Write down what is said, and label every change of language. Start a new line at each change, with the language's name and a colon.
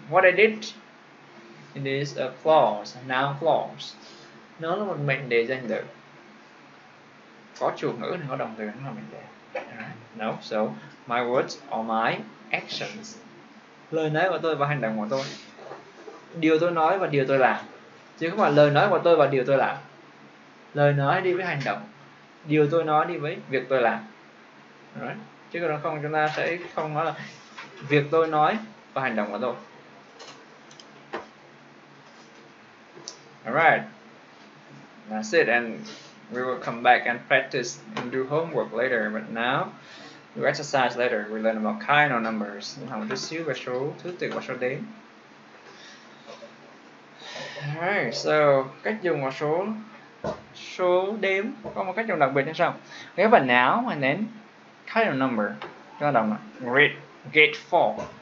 English: What I did, it is a clause, a noun clause.
Vietnamese: Nó là một mệnh đề danh từ. Có chủ ngữ thì có động từ, nó là mệnh đề.
English: No, so my words or my actions.
Vietnamese: Lời nói của tôi và hành động của tôi. Điều tôi nói và điều tôi làm. Chứ không phải lời nói của tôi và điều tôi làm. Lời nói đi với hành động. Điều tôi nói đi với việc tôi làm. Chứ còn không chúng ta sẽ không nói là việc tôi nói và hành động của tôi.
English: Alright. That's it, and we will come back and practice and do homework later. But now, we exercise later. We learn about kind of numbers. Now, just see what show to take what show day. Alright, so
Vietnamese: cách dùng một số số đếm có một cách dùng đặc biệt như sau.
English: We have a noun and then kind of number.
Vietnamese: Chúng ta đọc là
English: gate four.